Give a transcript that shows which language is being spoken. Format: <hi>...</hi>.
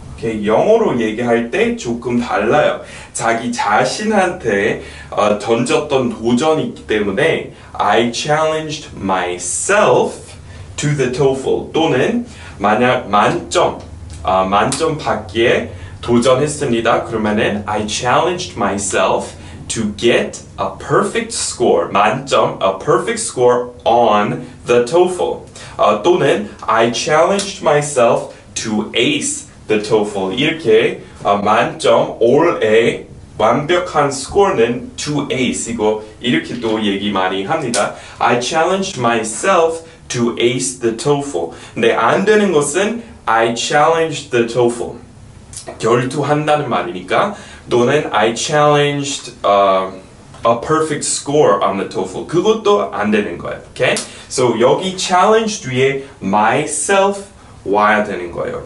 <ko>Okay, 영어로 얘기할 때 조금 달라요. 자기 자신한테 던졌던 도전이 있기 때문에 I challenged myself to the TOEFL, 또는 만약 만점 받기에 도전했습니다.</ko> <en>그러면은 I challenged myself to get a perfect score, 만점, a perfect score on the TOEFL. 또는 I challenged myself to ace the TOEFL.</en> <ko>이렇게 만점, all A, 완벽한 score는 to ace. 이거 이렇게 또 얘기 많이 합니다.</ko> <en>I challenged myself to ace the TOEFL.</en> <ko>근데 안 되는 것은 I challenged the TOEFL.</ko> <en>결투한다는 말이니까. 또는 I challenged a perfect score on the TOEFL.</en> <ko>그것도 안 되는 거예요. Okay? So 여기 challenge 뒤에 myself 와야 되는 거예요.</ko>